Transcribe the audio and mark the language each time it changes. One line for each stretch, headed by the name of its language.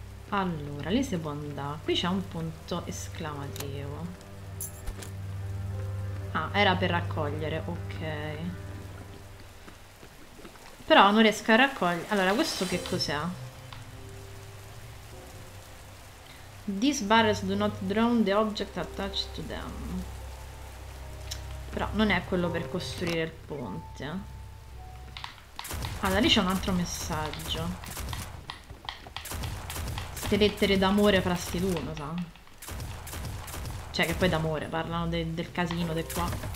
Italian: Allora, lì si può andare. Qui c'è un punto esclamativo. Ah, era per raccogliere. Ok. Però non riesco a raccogliere. Allora, questo che cos'è?
English: These barres do not drown the object attached to them.
Italian: Però non è quello per costruire il ponte. Allora lì c'è un altro messaggio. Ste lettere d'amore fra sti due, lo sa? Cioè che poi d'amore, parlano del casino di qua.